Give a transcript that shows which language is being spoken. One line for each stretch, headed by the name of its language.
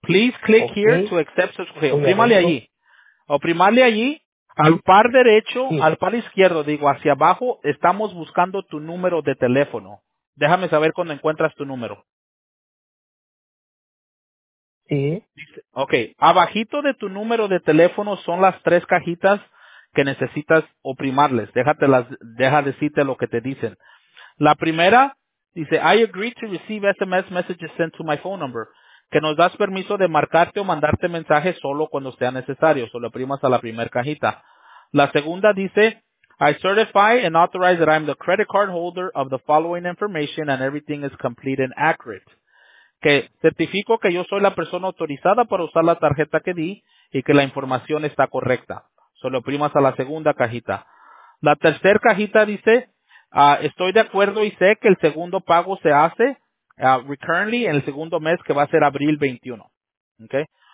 English: Please click here to accept subscription.
Spanish: Oprimale allí. Oprimale allí. Al par derecho, al par izquierdo, digo, hacia abajo, estamos buscando tu número de teléfono. Déjame saber cuando encuentras tu número. Sí. Okay, abajito de tu número de teléfono son las tres cajitas que necesitas oprimarles. Deja decirte lo que te dicen. La primera dice,
English: I agree to receive SMS messages sent to my phone number.
Spanish: Que nos das permiso de marcarte o mandarte mensajes solo cuando sea necesario. Solo oprimas a la primera cajita. La segunda dice,
English: I certify and authorize that I'm the credit card holder of the following information and everything is complete and accurate.
Spanish: Que certifico que yo soy la persona autorizada para usar la tarjeta que di y que la información está correcta. Solo oprimas a la segunda cajita. La tercera cajita dice, estoy de acuerdo y sé que el segundo pago se hace
English: recurrently
Spanish: en el segundo mes, que va a ser abril 21. Okay.